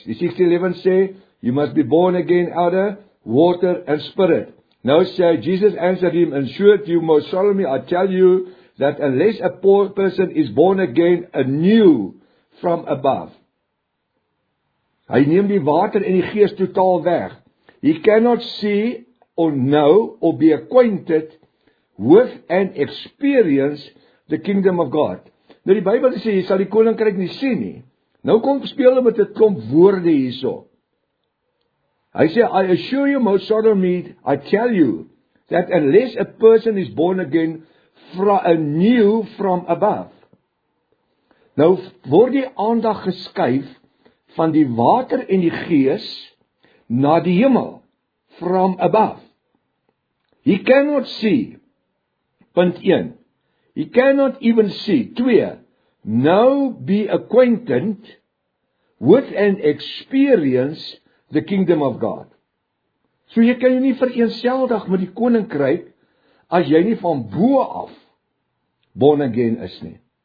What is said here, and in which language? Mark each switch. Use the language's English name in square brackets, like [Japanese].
[Afrikaans] Die 1611 sê, [English] you must be born again out of water and spirit. [Afrikaans] Nou sê, [English] Jesus answered him, and assured you most solemnly, I tell you, that unless a poor person is born again anew from above. [Afrikaans] Hy neem die water en die gees totaal weg. [English] He cannot see or know or be acquainted with and experience the kingdom of God. [Afrikaans] Nou die Bybel sê, jy sal die koninkryk nie sien nie. Nou kom speel met die klomp woorde hierso. Hy sê, [English] I assure you, most solemnly, I tell you, that unless a person is born again from anew from above. [Afrikaans] Nou word die aandag geskuif van die water en die gees na die hemel, [English] from above. He cannot see, punt 1. He cannot even see, 2. Now be acquainted with and experience the kingdom of God. [Afrikaans] So jy kan jy nie vereenselvig met die koninkryk as jy nie van bo af [English] born again [Afrikaans] is nie.